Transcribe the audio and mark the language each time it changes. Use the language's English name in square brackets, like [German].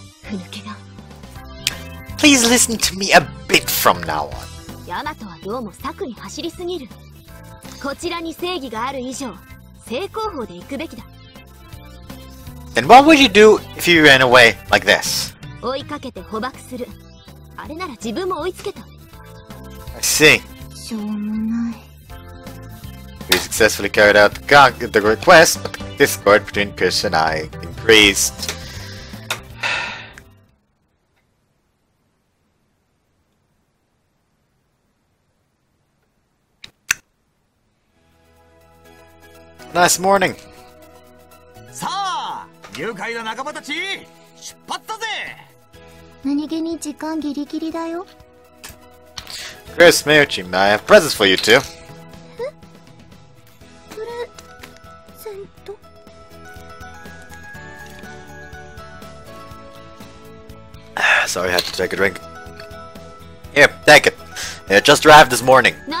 [Japanese] まさか敵がここまで脆弱とは思わなかったさ。武器を持っているから開き直って向かってくるかと思えば。 [English] Please listen to me a bit from now on. [Japanese] ヤマトはどうも策に走りすぎる。こちらに正義がある以上、正攻法で行くべきだ。 [English] And what would you do if you ran away like this? [Japanese] 追いかけて捕獲する。あれなら自分も追いつけた。 [English] I see. [Japanese] しょうもない。 [English] We successfully carried out the request, but the discord between Chris and I increased. Nice morning. [Japanese] さあ、愉快な仲間たち、出発だぜ。何気に時間ギリギリだよ。 [English] Chris, Mayuchi, I have presents for you two. Sorry, I had to take a drink. Here, take it. It just arrived this morning.